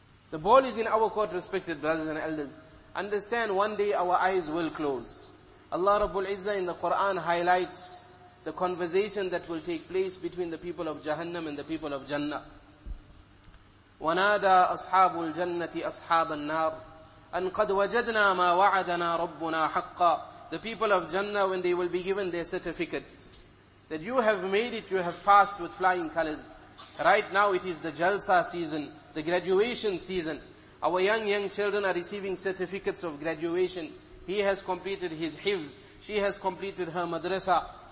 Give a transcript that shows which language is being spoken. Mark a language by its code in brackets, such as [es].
[en] The ball is in our court, respected brothers and elders. Understand, one day our eyes will close. Allah Rabbul Izzah in the Quran highlights the conversation that will take place between the people of Jahannam and the people of Jannah. [ar] وَنَادَى أَصْحَابُ الْجَنَّةِ أَصْحَابَ النَّارِ أن قد وجدنا ما وعدنا ربنا حقا. [en] The people of Jannah, when they will be given their certificate, that you have made it, you have passed with flying colors. Right now it is the Jalsa season, the graduation season. Our young children are receiving certificates of graduation. He has completed his hifz, she has completed her madrasa.